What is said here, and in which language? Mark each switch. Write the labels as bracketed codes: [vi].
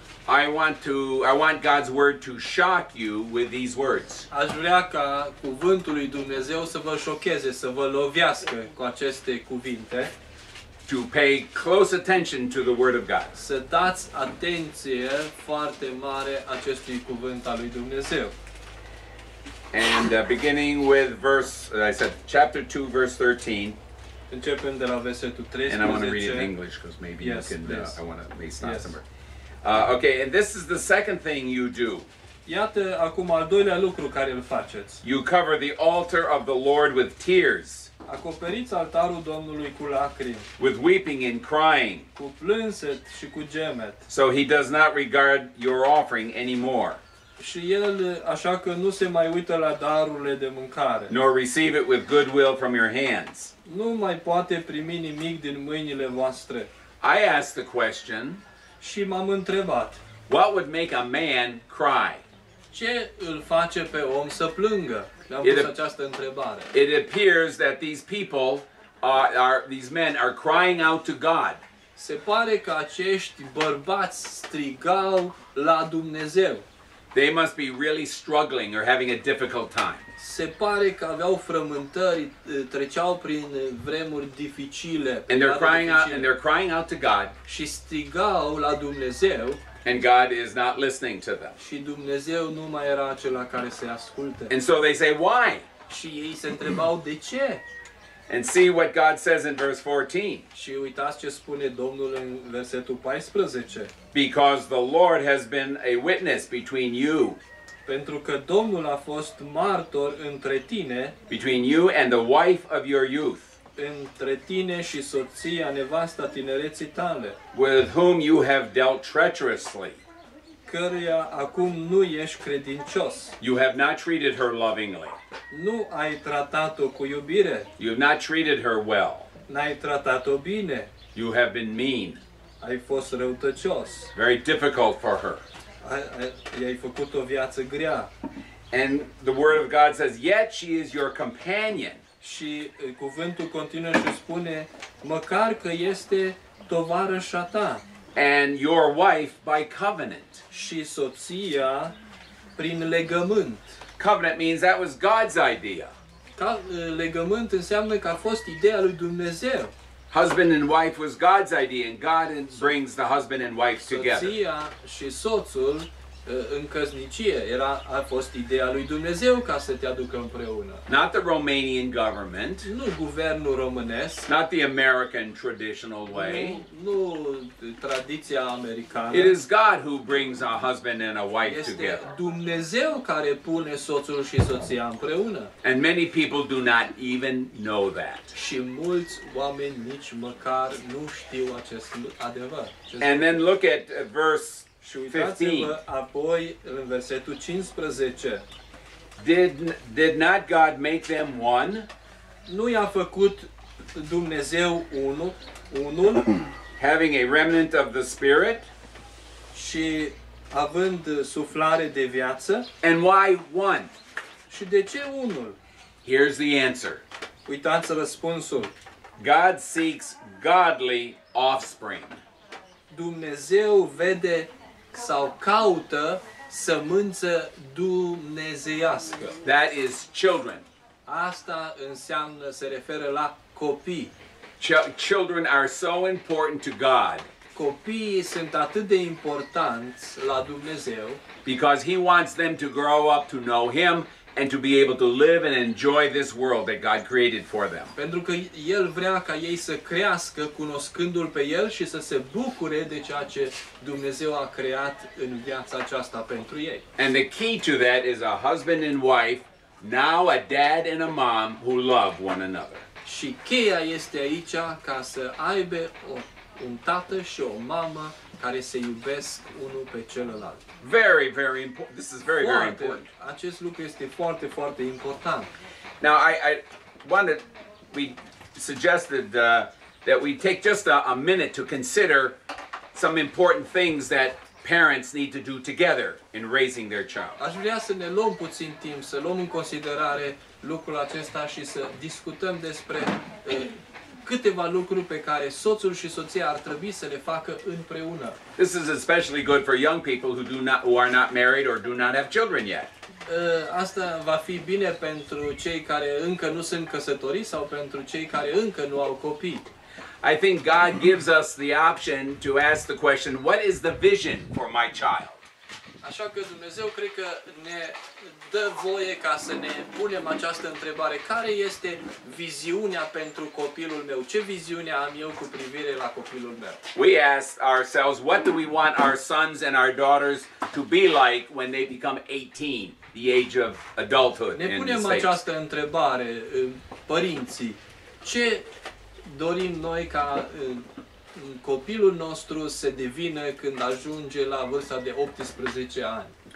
[en] I want God's word to shock you with these words. [ro] Aș vrea ca cuvântul lui Dumnezeu să vă șocheze, să vă lovească cu aceste cuvinte. [en] To pay close attention to the word of God. [ro] Să dați atenție foarte mare acestui cuvânt al lui Dumnezeu. [en] And beginning with chapter 2, verse 13. [ro] Începem de la versetul 13. [en] And I want to read it in English because maybe yes, you can. I want to at least not somewhere. Okay, and this is the second thing you do. [ro] Iată acum al doilea lucru care îl faceți. [en] You cover the altar of the Lord with tears. [ro] Acoperiți altarul Domnului cu lacrimi. [en] With weeping and crying. [ro] Cu plânset și cu gemet. [en] So he does not regard your offering anymore. [ro] Și el așa că nu se mai uită la darurile de mâncare. [en] Nor receive it with goodwill from your hands. [ro] Nu mai poate primi nimic din mâinile voastre. [en] I asked the question. [ro] Și m-am întrebat. [en] What would make a man cry? [ro] Ce îl face pe om să plângă? Le-am pus această întrebare. [en] It appears that these people are crying out to God. [ro] Se pare că acești bărbați strigau la Dumnezeu. [en] They must be really struggling or having a difficult time. [ro] Se pare că aveau frământări, treceau prin vremuri dificile. [en] And they're crying out, and they're crying out to God. [ro] Și strigau la Dumnezeu. [en] And God is not listening to them. [ro] Și Dumnezeu nu mai era acela care se ascultă. [en] And so they say, why? [ro] Și ei se întrebau de ce? [en] And see what God says in verse 14. [ro] Și uitați ce spune Domnul în versetul 14. [en] Because the Lord has been a witness between you. [ro] Pentru că Domnul a fost martor între tine. [en] Between you and the wife of your youth. [ro] Între tine și soția, nevasta tinereții tale. [en] With whom you have dealt treacherously. [ro] Căreia acum nu ești credincios. [en] You have not treated her lovingly. [ro] Nu ai tratat-o cu iubire. [en] You have not treated her well. [ro] N-ai tratat-o bine. [en] You have been mean. [ro] Ai fost răutăcios. [en] Very difficult for her. [ro] I-ai făcut o viață grea. [en] And the word of God says, yet she is your companion. [ro] Și cuvântul continuă și spune, măcar că este tovarășa ta. [en] And your wife by covenant. [ro] Și soția prin legământ. [en] Covenant means that was God's idea. [ro] Legământ înseamnă că a fost ideea lui Dumnezeu. [en] Husband and wife was God's idea, and God brings the husband and wife together. [ro] Soția și soțul în căsnicie era a fost ideea lui Dumnezeu ca să te aducă împreună. [en] Not the Romanian government. [ro] Nu guvernul românesc. [en] Not the American traditional way. [ro] Nu tradiția americană. [en] It is God who brings a husband and a wife [ro] este [en] together. [ro] Este Dumnezeu care pune soțul și soția împreună. [en] And many people do not even know that. [ro] Și mulți oameni nici măcar nu știu acest adevăr. [en] And then look at verse 15. Did not God make them one? [ro] Nu i-a făcut Dumnezeu unul? [en] Having a remnant of the Spirit? [ro] Și având suflare de viață? [en] And why one? [ro] Și de ce unul? [en] Here's the answer. [ro] Uitați răspunsul. [en] God seeks godly offspring. [ro] Dumnezeu vede sau caută sămânță dumnezeiască. [en] That is children. [ro] Asta înseamnă, se referă la copii. [en] Children are so important to God. [ro] Copiii sunt atât de importanți la Dumnezeu. [en] Because he wants them to grow up to know him and to be able to live and enjoy this world that God created for them. [ro] Pentru că el vrea ca ei să crească cunoscându-l pe el și să se bucure de ceea ce Dumnezeu a creat în viața aceasta pentru ei. [en] And the key to that is a husband and wife, now a dad and a mom, who love one another. [ro] Și cheia este aici ca să aibă un tată și o mamă care se iubesc unul pe celălalt. [en] Very, very important. This is very, very important. [ro] Acest lucru este foarte, foarte important. [en] Now, I wanted, we suggested that we take just a minute to consider some important things that parents need to do together in raising their child. [ro] Aș vrea să ne luăm puțin timp, să luăm în considerare lucrul acesta și să discutăm despre câteva lucruri pe care soțul și soția ar trebui să le facă împreună. [en] This is especially good for young people who are not married or do not have children yet. [ro] Asta va fi bine pentru cei care încă nu sunt căsătoriți sau pentru cei care încă nu au copii. [en] I think God gives us the option to ask the question, what is the vision for my child? [ro] Așa că Dumnezeu cred că ne dă voie ca să ne punem această întrebare. Care este viziunea pentru copilul meu? Ce viziune am eu cu privire la copilul meu? [en] We ask ourselves, what do we want our sons and our daughters to be like when they become 18, the age of adulthood? [ro] Ne punem această întrebare, părinții. Ce dorim noi ca copilul nostru să devină când ajunge la vârsta de 18 ani.